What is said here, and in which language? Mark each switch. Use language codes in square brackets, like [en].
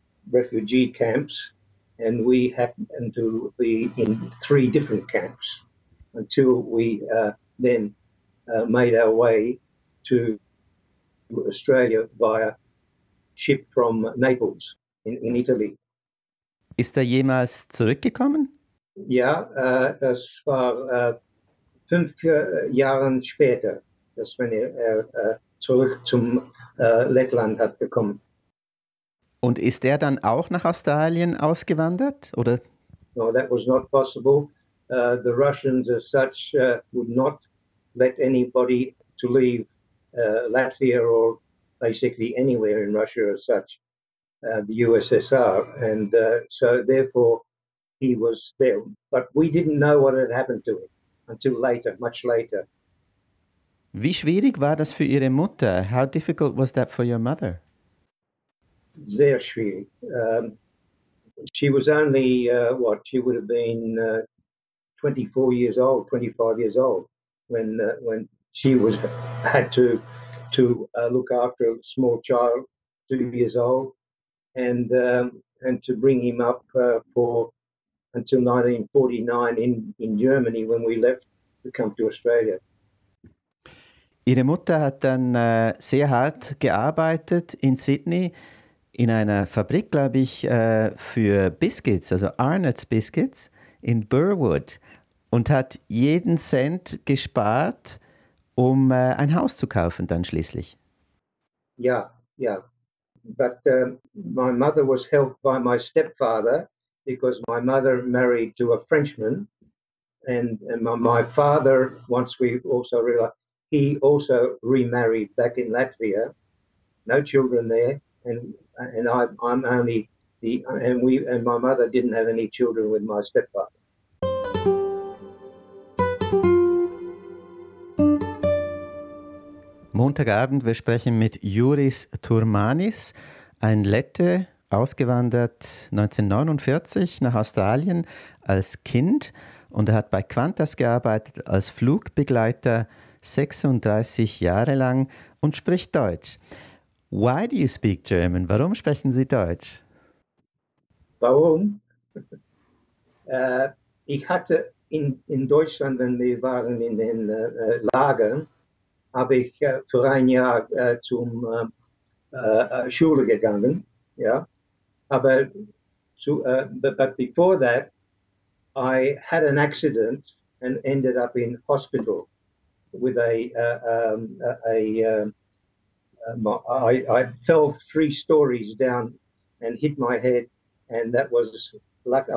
[en] refugee camps, and we happened to be in 3 different camps until we then made our way to Australia via ship from Naples. In Italy. [de] Ist er jemals zurückgekommen? Ja, das war 5 Jahre später, dass wenn er zurück zum Lettland hat gekommen. Und ist er dann auch nach Australien ausgewandert, oder? [en] No, that was not possible. The Russians as such would not let anybody to leave Latvia or basically anywhere in Russia as such. The USSR, and so therefore he was there. But we didn't know what had happened to him until later, much later. [de] Wie schwierig war das für Ihre Mutter? [en] How difficult was that for your mother? [de] Sehr schwierig. [en] She was only, 24 years old, 25 years old, when she was had to look after a small child, 2 years old. And to bring him up until 1949 in Germany, when we left to come to Australia. [de] Ihre Mutter hat dann sehr hart gearbeitet in Sydney, in einer Fabrik, glaube ich, für Biscuits, also Arnott's Biscuits in Burwood, und hat jeden Cent gespart, um ein Haus zu kaufen dann schließlich. Ja. [en] But my mother was helped by my stepfather because my mother married to a Frenchman, and my father, once we also realized, he also remarried back in Latvia, no children there, and my mother didn't have any children with my stepfather. [de] Montagabend, wir sprechen mit Juris Turmanis, ein Lette, ausgewandert 1949 nach Australien als Kind. Und er hat bei Qantas gearbeitet als Flugbegleiter 36 Jahre lang und spricht Deutsch. [en] Why do you speak German? [de] Warum sprechen Sie Deutsch? Warum? Ich hatte in Deutschland, wenn wir waren in den Lagern, habe ich für ein Jahr zum Schule gegangen. Ja, aber [en] but before that, I had an accident and ended up in hospital with I fell three stories down and hit my head, and that was luck.